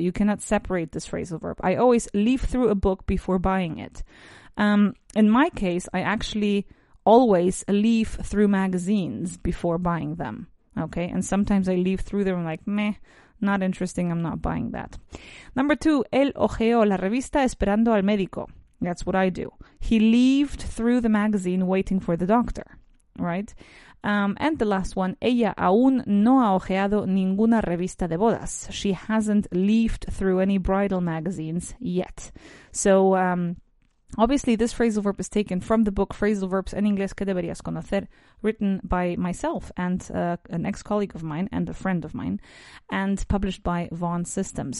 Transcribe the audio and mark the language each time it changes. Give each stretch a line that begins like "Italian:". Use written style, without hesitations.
English: You cannot separate this phrasal verb. I always leaf through a book before buying it. In my case, I actually always leaf through magazines before buying them. Okay, and sometimes I leaf through them, I'm like, meh, not interesting, I'm not buying that. Number two,
Spanish: él ojeó la revista esperando al médico.
English: That's what I do. He leafed through the magazine waiting for the doctor, right? And the last one,
Spanish: ella aún no ha ojeado ninguna revista de bodas.
English: She hasn't leafed through any bridal magazines yet. So, obviously, this phrasal verb is taken from the book Phrasal Verbs en Inglés que Deberías Conocer, written by myself and an ex-colleague of mine and a friend of mine, and published by Vaughan Systems.